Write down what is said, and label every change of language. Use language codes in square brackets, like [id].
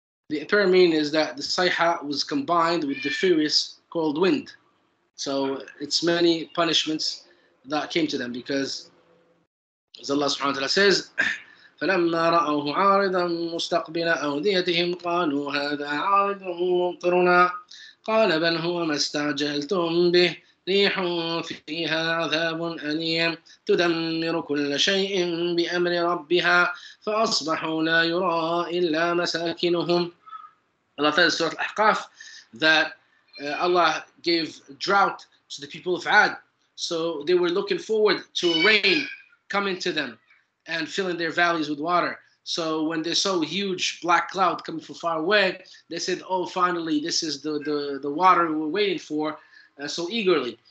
[en] The apparent meaning is that the sayha was combined with the furious cold wind. So it's many punishments that came to them because, as Allah subhanahu wa ta'ala says, [ar] فَلَمَّا رَأَوْهُ عَارِضًا مُسْتَقْبِلَ أَوْدِيَتِهِمْ قَالُوا هَذَا عَارِضٌ مُمْطِرُنَا قَالَ بَلْ هُوَ مَا اسْتَعْجَلْتُمْ بِهِ رِيحٌ فِيهَا عَذَابٌ أَلِيمٌ تُدَمِّرُ كُلَّ شَيْءٍ بِأَمْرِ رَبِّهَا فَأَصْبَحُوا لَا يُرَى إِلَّا مَسَاكِنُهُمْ. [en] Allah says in Surah Al-Ahqaf that Allah gave drought to the people of Ad. So they were looking forward to rain coming to them and filling their valleys with water. So when they saw a huge black cloud coming from far away, they said, oh, finally, this is the water we're waiting for so eagerly.